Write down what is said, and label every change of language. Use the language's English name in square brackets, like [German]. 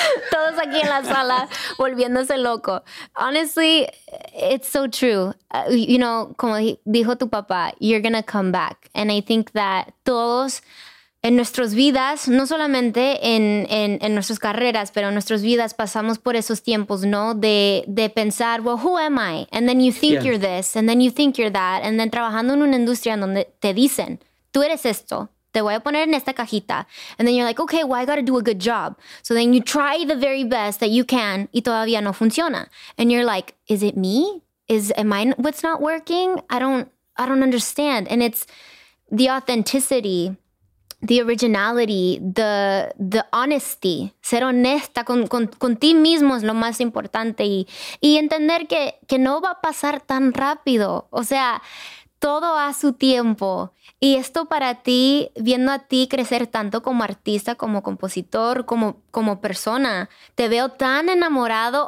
[Spanish] Todos aquí en la sala volviéndose loco. [English] Honestly, it's so true. You know, [Spanish] como dijo tu papá, [English] you're gonna come back. And I think that [Spanish] todos en nuestras vidas, no solamente en nuestras carreras, pero en nuestras vidas pasamos por esos tiempos, ¿no? De pensar, [English] well, who am I? And then you think you're this, and then you think you're that. And then [Spanish] trabajando en una industria en donde te dicen, tú eres esto. Te voy a poner en esta cajita. [English] And then you're like, okay, well, I got to do a good job. So then you try the very best that you can [Spanish] y todavía no funciona. [English] And you're like, is it me? Am I what's not working? I don't understand. And it's the authenticity, the originality, the honesty. [Spanish] Ser honesta con ti mismo es lo más importante. Y entender que no va a pasar tan rápido. O sea, todo a su tiempo. Y esto para ti, viendo a ti crecer tanto como artista, como compositor, como persona, te veo tan enamorado.